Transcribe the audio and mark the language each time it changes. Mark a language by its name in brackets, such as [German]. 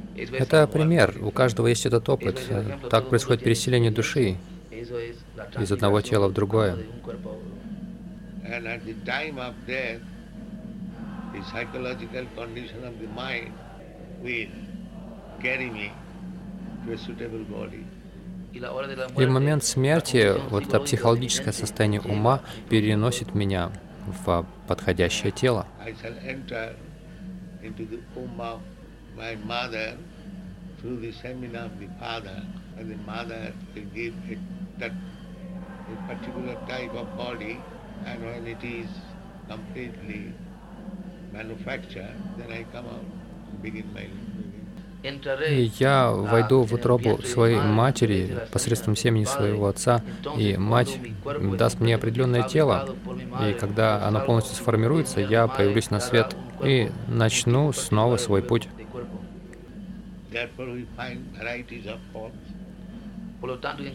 [Russian] Это пример, у каждого есть этот опыт, так происходит переселение души из одного тела в другое. [English] And at the time of death, the psychological condition of the mind will carry me to a suitable body. [Russian] И в момент смерти вот это психологическое состояние ума переносит меня в подходящее тело. [English] I shall enter into the womb of my mother through the semina of the father, and the mother will give it that a particular type of body. And when it is completely manufactured, then I come out and begin my living. [Russian] И я войду в утробу своей матери посредством семени своего отца, и мать даст мне определенное тело, и когда оно полностью сформируется, я появлюсь на свет и начну снова свой путь. [English] Therefore we find varieties of forms.